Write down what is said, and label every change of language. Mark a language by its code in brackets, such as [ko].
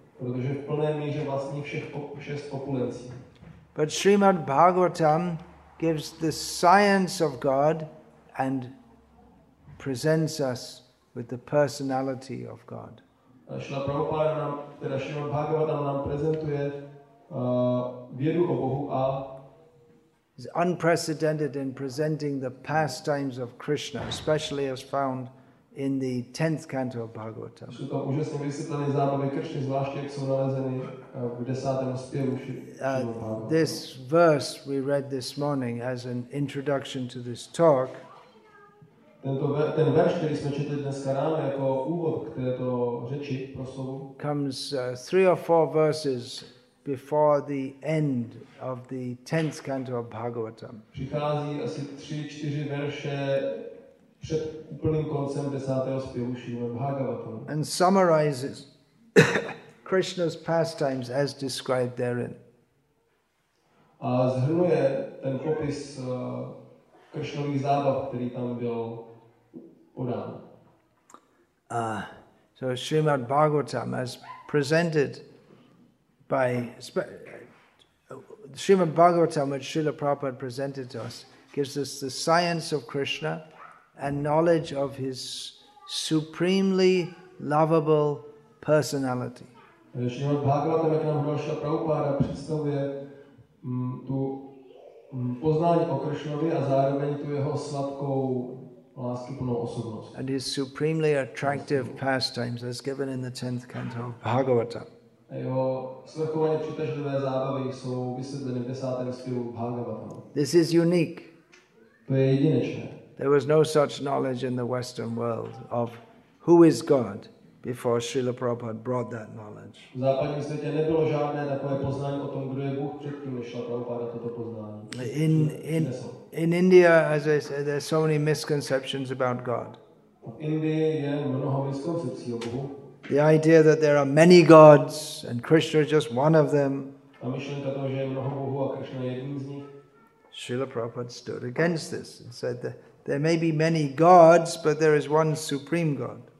[cs] Protože v plné míře vlastní všech šest opulencí. [en] But Srimad Bhagavatam gives the science of God and presents us with the personality of God. [cs] Srila Prabhupada nám, teda Srila Bhagavatam nám prezentuje vědu o Bohu a [en] is unprecedented in presenting the pastimes of Krishna, especially as found in the 10th canto of Bhagavatam. [cs] Jsou tam úžasně vysvětlené zábavy Krishny, zvláště jak jsou nalezeny v 10. zpěvu [en] This verse we read this morning as an introduction to this talk. [cs] Ten verš, který jsme četli dneska ráno jako úvod k této řeči proslovu, [en] comes three or four verses before the end of the 10th canto of Bhagavatam. [cs] Přichází asi 3-4 verše před úplným koncem 10. zpěvu Šrímad Bhagavatam. [en] And summarizes Krishna's pastimes as described therein. [cs] A zhrnuje ten popis Krishnových zábav, který tam byl podán. [en] So Srimad Bhagavatam as presented by Srimad Bhagavatam, which Srila Prabhupada presented to us, gives us the science of Krishna and knowledge of his supremely lovable personality. [cs] Srimad Bhagavatam, jak nám Srila Prabhupada představuje tu poznání o Krishnovi a zároveň tu jeho sladkou láskyplnou osobnost. [en] And his supremely attractive pastimes, as given in the 10th canto of Bhagavatam. [cs] A jeho svrchovaně přitažlivé zábavy jsou vysvětleny v 10. zpěvu Bhagavatam. [en] This is unique. [cs] To je jedinečné. [en] There was no such knowledge in the Western world of who is God before Srila Prabhupada brought that knowledge. [cs] V západním světě nebylo žádné takové poznání o tom, kdo je Bůh, předtím než Srila Prabhupada toto poznání. [en] In India, as I said, there are so many misconceptions about God. [cs] V Indii je mnoho miskoncepcí o Bohu. [en] The idea that there are many gods and Krishna is just one of them. [cs] A myšlenka toho, že je mnoho bohů a Krishna je jedním z nich. [en] Srila Prabhupada stood against this and said that there may be many gods, but there is one supreme God.